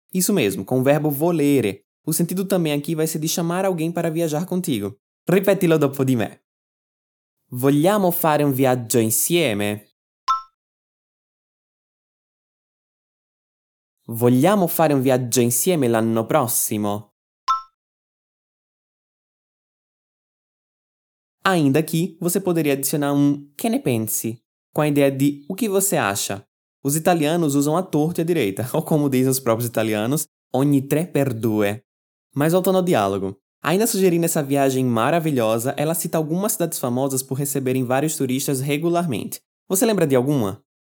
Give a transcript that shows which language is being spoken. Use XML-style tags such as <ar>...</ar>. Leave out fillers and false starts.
<pt>Isso mesmo, com o verbo volere. O sentido também aqui vai ser de chamar alguém para viajar contigo.</pt> <it>Ripetilo dopo di me. Vogliamo fare un viaggio insieme? Vogliamo fare un viaggio insieme l'anno prossimo?</it> <pt>Ainda qui, você poderia adicionar</pt> <it>un che ne pensi,</it> <pt>com a ideia di o que você acha. Os italianos usam a torto e a direita, ou como dizem os próprios italianos,</pt> <it>ogni tre per due.</it> <pt>Mas voltando ao diálogo. Ainda sugerindo essa viagem maravilhosa, ela cita algumas cidades famosas por receberem vários turistas regularmente. Você lembra de alguma?</pt>